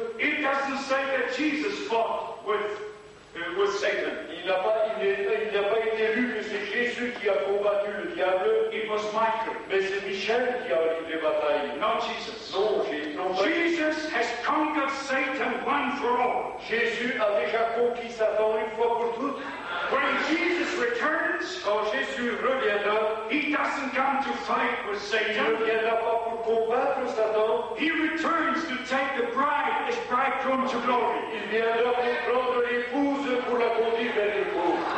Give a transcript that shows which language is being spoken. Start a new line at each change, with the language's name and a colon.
English: it doesn't say that Jesus fought with Satan.
French: Il n'a pas été lu que c'est Jésus qui a combattu le diable.
English: It was Michael.
French: Mais c'est Michel qui a livré bataille.
English: Not Jesus.
French: Non, Jésus.
English: Jesus has conquered Satan one for all.
French: Jésus a déjà conquis Satan une fois pour toutes.
English: When Jesus returns,
French: quand Jésus reviendra,
English: he doesn't come to fight with Satan.
French: Il ne viendra pas pour combattre Satan.
English: He returns to take the bride, his bridegroom to glory.
French: Il viendra pour prendre l'épouse pour la conduire vers le beau.